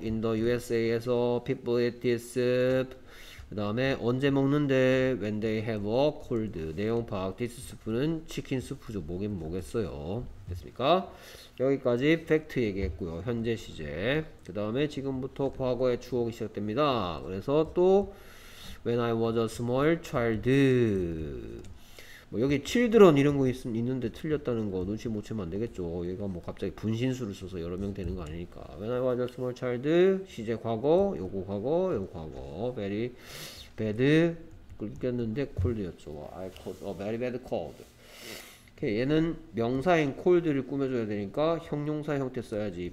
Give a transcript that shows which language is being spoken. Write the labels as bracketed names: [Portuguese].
[English] in the USA에서 people eat this soup. [Korean] 그 다음에 언제 먹는데? [English] when they have a cold. [Korean] 내용 파악. [English] this soup는 [Korean] 치킨 수프죠. 뭐긴 뭐겠어요. 됐습니까? 여기까지 팩트 얘기했고요. 현재 시제. 그 다음에 지금부터 과거의 추억이 시작됩니다. 그래서 또 [English] when I was a small child. [Korean] 뭐 여기 children 이런 거 있는데 틀렸다는 거 눈치 못 채면 안 되겠죠. 얘가 뭐 갑자기 분신술을 써서 여러 명 되는 거 아니니까. [English] When I was a small child, [Korean] 시제 과거, 요거 과거, 요거 과거. [English] Very bad, [Korean] 끊겼는데 콜드였죠. [English] I called a very bad cold. [Korean] 얘는 명사인 콜드를 꾸며줘야 되니까 형용사 형태 써야지.